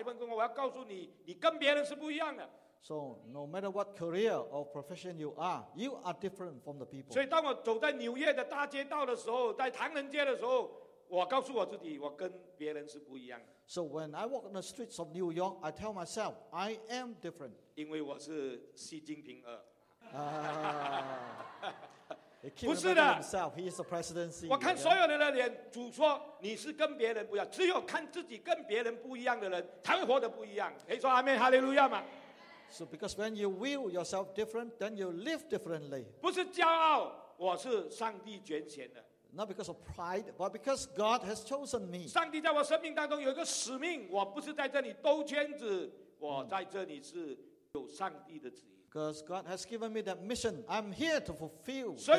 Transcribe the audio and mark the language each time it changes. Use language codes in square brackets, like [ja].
[zh] 所以弟兄姐妹，我要告诉你，你是一个医生也好，你是个工程师啊，你是个基督徒商人，你找一份工，我要告诉你，你跟别人是不一样的。 [en] So no matter what career or profession you are different from the people. [zh] 所以当我走在纽约的大街道的时候，在唐人街的时候。我告诉我自己，我跟别人是不一样的。 [en] So when I walk in the streets of New York, I tell myself I am different. [zh] 因为我是习近平二。不是的。 [en] himself, he is the presidency. [zh] 我看所有人的脸，主说你是跟别人不一样，只有看自己跟别人不一样的人，才会活得不一样。可以说阿门，哈利路亚嘛。 [en] So because when you view yourself different, then you live differently. [zh] 不是骄傲，我是上帝拣选的。 [en] Not because of pride, but because God has chosen me. [zh] 上帝在我生命当中有一个使命，我不是在这里兜圈子，我在这里是有上帝的旨意。 [en] Because God has given me that mission, I'm here to fulfill.